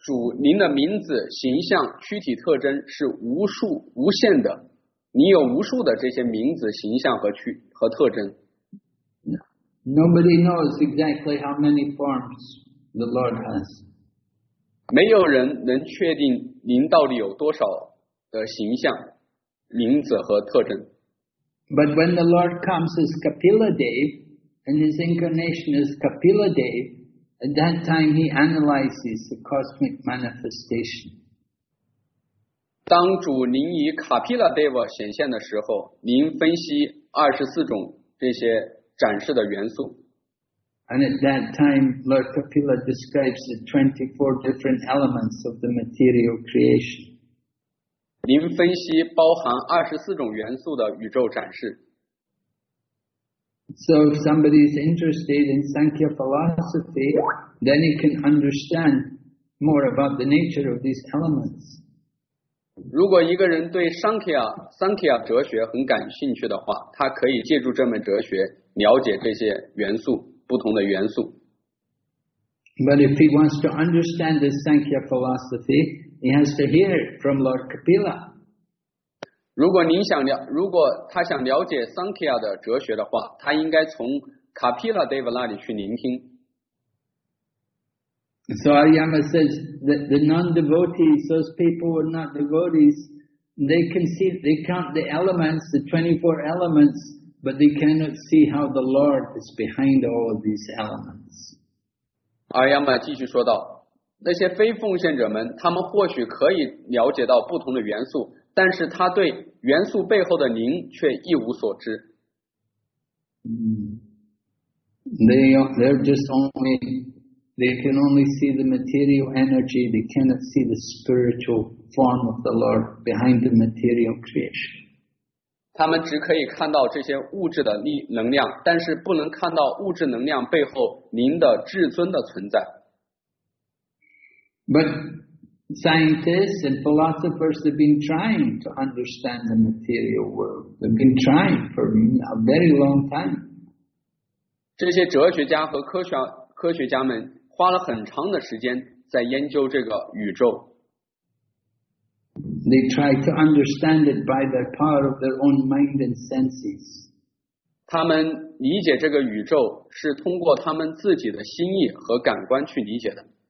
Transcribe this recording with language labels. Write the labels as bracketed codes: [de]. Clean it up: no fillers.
[zh] 主，您的名字、形象、躯体特征是无数、无限的。你有无数的这些名字、形象和特征。 [en] Nobody knows exactly how many forms the Lord has. [zh] 没有人能确定您到底有多少的形象、名字和特征。 [en] But when the Lord comes as Kapiladev, And his incarnation is Kapila Dev. At that time, he analyzes the cosmic manifestation. [zh] 当主您以卡皮拉 Deva 显现的时候，您分析二十四种这些展示的元素。 [en] And at that time, Lord Kapila describes the 24 different elements of the material creation. [zh] 您分析包含二十四种元素的宇宙展示。 [en] So if somebody is interested in Sankhya philosophy, then he can understand more about the nature of these elements. [zh] 如果一个人对 Sankhya 哲学很感兴趣的话，他可以借助这门哲学了解这些元素，不同的元素。 [en] But if he wants to understand the Sankhya philosophy, he has to hear it from Lord Kapila. [zh] 如果您想了，如果他想了解 Sankhya 的哲学的话，他应该从 Kapila Deva 那里去聆听。 [en] So Ariyama says that the non-devotees, those people who are not devotees, they can see, they count the elements, the 24 elements, but they cannot see how the Lord is behind all of these elements. [zh] Ariyama 继续说道，那些非奉献者们，他们或许可以了解到不同的元素，但是他对元素背后的您却一无所知。 [en] They can only see the material energy, they cannot see the spiritual form of the Lord behind the material creation. [zh] 他们只可以看到这些物质的能量，但是不能看到物质能量背后您的至尊的存在。 [en] But scientists and philosophers have been trying to understand the material world. They've been trying for a very long time. [zh] 这些哲学家和科学家们花了很长的时间在研究这个宇宙。 [en] They try to understand it by the power of their own mind and senses. [zh] 他们理解这个宇宙是通过他们自己的心意和感官去理解的。